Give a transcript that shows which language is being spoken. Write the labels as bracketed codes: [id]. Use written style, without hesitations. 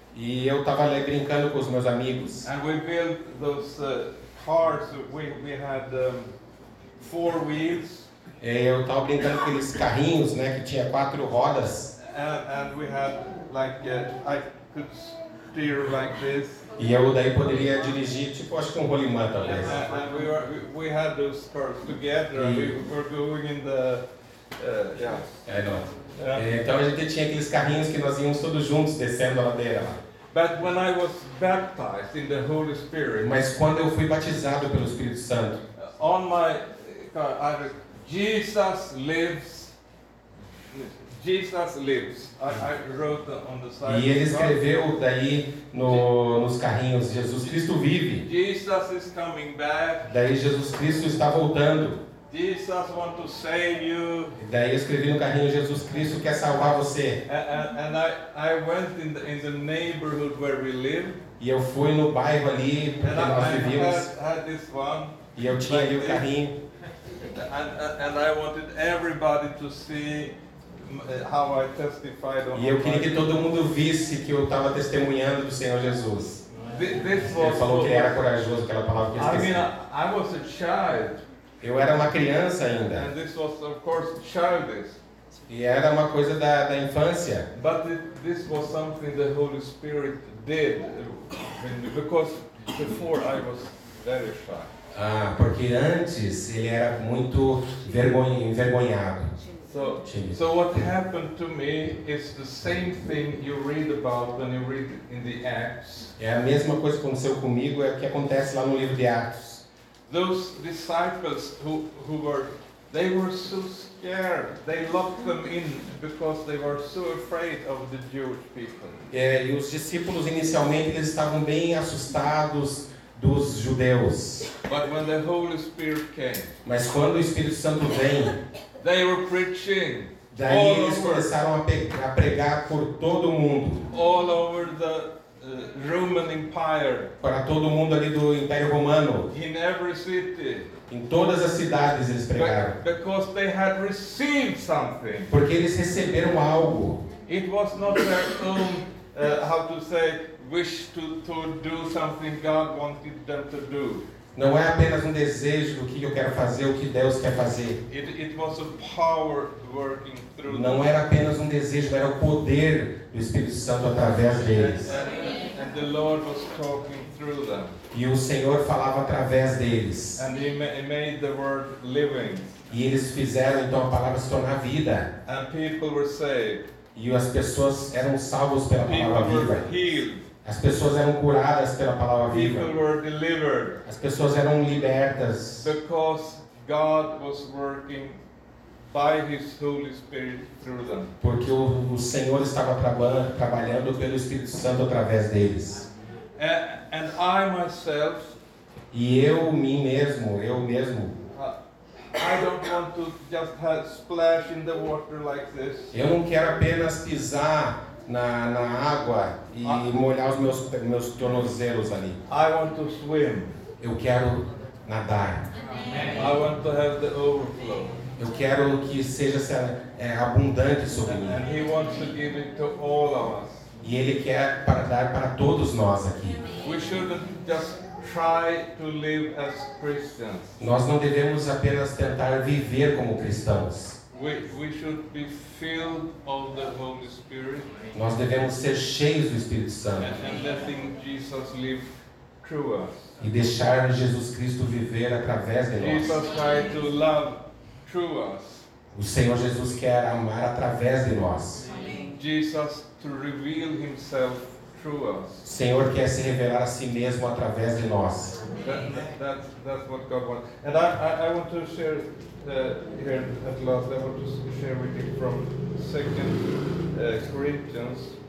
[pt] E eu estava ali brincando com os meus amigos. [en] And we built those cars. We had four wheels. [pt] E eu estava brincando com aqueles carrinhos, né, que tinha quatro rodas. [en] And we had I could steer like this. [pt] E eu daí poderia dirigir, tipo, acho que um rolimã talvez. [en] And we had those cars together. E... We were going in the [pt] Então a gente tinha aqueles carrinhos que nós íamos todos juntos descendo a ladeira. [en] But when I was baptized in the Holy Spirit, [pt] mas quando eu fui batizado pelo Espírito Santo, [en] on my car, Jesus lives. I wrote on the side. [pt] E ele escreveu daí nos carrinhos, Jesus Cristo vive. [en] Jesus is coming back. [pt] Daí Jesus Cristo está voltando. [en] Jesus want to save you. [pt] Daí eu escrevi no carrinho, Jesus Cristo quer salvar você. [en] And I went in the neighborhood where we live. [pt] E eu fui no bairro ali onde nós vivíamos. [en] Had this one. [pt] E eu tinha ali o carrinho. [en] And I wanted everybody to see how I testified on. [pt] E eu queria que todo mundo visse que eu estava testemunhando do Senhor Jesus. Ele falou que era corajoso, aquela palavra que esqueci. [en] I mean, I was a child. [pt] Eu era uma criança ainda. [en] And this was, of course, childish. [pt] E era uma coisa da infância. [en] But this was something the Holy Spirit did, because before I was very shy. [pt] Ah, porque antes ele era muito envergonhado. [en] So what happened to me is the same thing you read about when you read in the Acts. [pt] É a mesma coisa que aconteceu comigo, é o que acontece lá no livro de Atos. [en] Those disciples who were so scared. They locked them in because they were so afraid of the Jewish people. [pt] E os discípulos inicialmente eles estavam bem assustados dos judeus. [en] But when the Holy Spirit came, [pt] mas quando o Espírito Santo vem, [en] they were preaching. [pt] Daí eles começaram a pregar por todo mundo. [en] All over the Roman Empire. [pt] Para todo mundo ali do Império Romano. [en] In every city. [pt] Em todas as cidades eles pregaram. [en] Because they had received something. [pt] Porque eles receberam algo. [en] It was not their own, how to say, wish to do something God wanted them to do. [pt] Não é apenas um desejo do que eu quero fazer, o que Deus quer fazer. [en] It was a power working through. [pt] Não era apenas um desejo, era o poder do Espírito Santo através deles. [en] And the Lord was talking through them. [pt] E o Senhor falava através deles. [en] And he made the word living. [pt] E eles fizeram então a palavra se tornar vida. [en] And people were saved. [pt] E as pessoas eram salvas pela palavra viva. As pessoas eram curadas pela palavra viva. [en] People were delivered. [pt] As pessoas eram libertas. [en] Because God was working by His Holy Spirit through them. [pt] Porque o Senhor estava trabalhando pelo Espírito Santo através deles. [en] And I myself, [pt] e eu mesmo. [en] I don't want to just have splash in the water like this. [pt] Eu não quero apenas pisar na água e molhar os meus tornozelos ali. [en] I want to swim. [pt] Eu quero nadar. [en] Amen. I want to have the overflow. [pt] Eu quero que seja abundante sobre mim. [en] And he wants to give it to all of us. [pt] E ele quer para dar para todos nós aqui. [en] We shouldn't just try to live as Christians. [pt] Nós não devemos apenas tentar viver como cristãos. [en] We should be filled of the Holy Spirit. [pt] Nós devemos ser cheios do Espírito Santo. [en] And letting Jesus live through us. [pt] E deixar Jesus Cristo viver através de nós. [en] Jesus tried to love through us. [pt] O Senhor Jesus quer amar através de nós. [en] Jesus to reveal himself through us. [pt] O Senhor quer se revelar a si mesmo através de nós. [en] That's what God wants. And I want to share here at last, I want to share with you from 2 Corinthians.